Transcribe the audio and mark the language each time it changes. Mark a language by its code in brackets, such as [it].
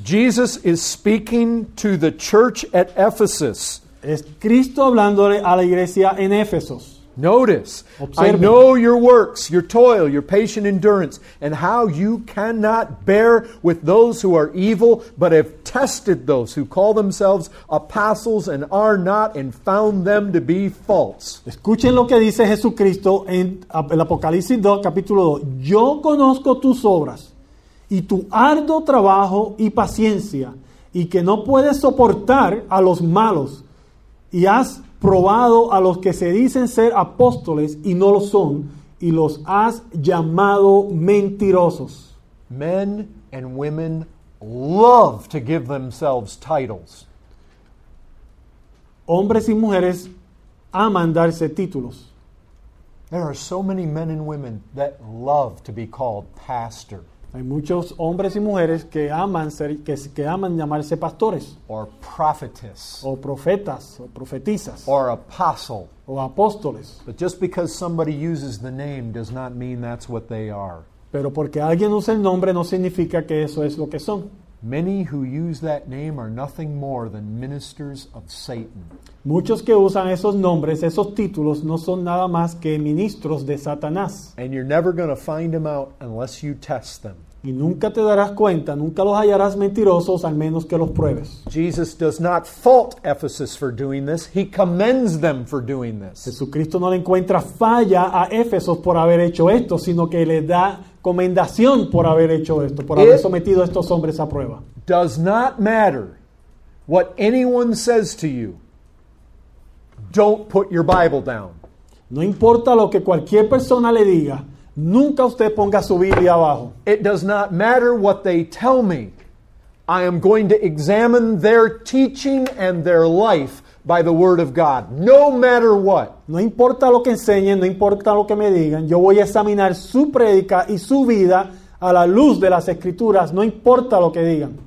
[en] Jesus is speaking to the church at Ephesus. [es] Es Cristo hablándole a la iglesia en Éfeso. [en] Notice, observe. I know your works, your toil, your patient endurance, and how you cannot bear with those who are evil, but have tested those who call themselves apostles and are not, and found them to be false. [es] Escuchen lo que dice Jesucristo en el Apocalipsis 2, capítulo 2. Yo conozco tus obras, y tu arduo trabajo y paciencia, y que no puedes soportar a los malos, y has probado a los que se dicen ser apóstoles y no lo son, y los has llamado mentirosos. [en] Men and women love to give themselves titles. [es] Hombres y mujeres aman darse títulos. [en] There are so many men and women that love to be called pastor. [es] Hay muchos hombres y mujeres que aman llamarse pastores. [en] Or prophetess. [es] O profetas, o profetizas. [en] Or apostle. [es] O apóstoles. [en] But just because somebody uses the name does not mean that's what they are. [es] Pero porque alguien usa el nombre no significa que eso es lo que son. [en] Many who use that name are nothing more than ministers of Satan. [es] Muchos que usan esos nombres, esos títulos, no son nada más que ministros de Satanás. [en] And you're never going to find them out unless you test them. [es] Y nunca te darás cuenta, nunca los hallarás mentirosos al menos que los pruebes. [en] Jesus does not fault Ephesus for doing this. He commends them for doing this. [es] Jesucristo no le encuentra falla a Éfeso por haber hecho esto, sino que le da comendación por haber hecho esto, por haber sometido a estos hombres a prueba. [en] Does not matter what anyone says to you. Don't put your Bible down. [es] No importa lo que cualquier persona le diga, nunca usted ponga su Biblia abajo. [en] It does not matter what they tell me. I am going to examine their teaching and their life by the Word of God. No matter what. [es] No importa lo que enseñen, no importa lo que me digan, yo voy a examinar su prédica y su vida a la luz de las Escrituras, no importa lo que digan.